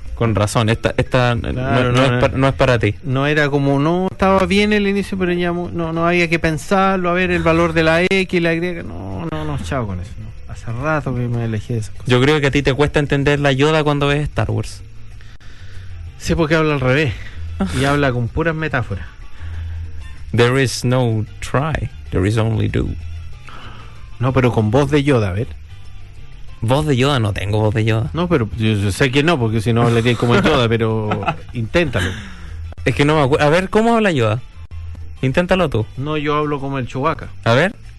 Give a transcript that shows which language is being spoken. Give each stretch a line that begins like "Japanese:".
Spanish: Con razón, esta no es para ti. No era como, no estaba bien el inicio, pero ya no había que pensarlo, a ver el valor de la X y la Y. No, chao con eso, no. Hace rato que me elegí esa cosa. Yo creo que a ti te cuesta entender la Yoda cuando ves Star Wars. Sí, porque habla al revés. Y habla con puras metáforas.
English: There is no try, there is only do.
Spanish: No, pero con voz de Yoda, a ver. ¿Voz de Yoda? No tengo voz de Yoda. No, pero yo sé que no, porque si no hablaría como Yoda, pero inténtalo. Es que no me acuerdo. A ver, ¿cómo habla Yoda? Inténtalo tú. No, yo hablo como el Chewbacca. A ver.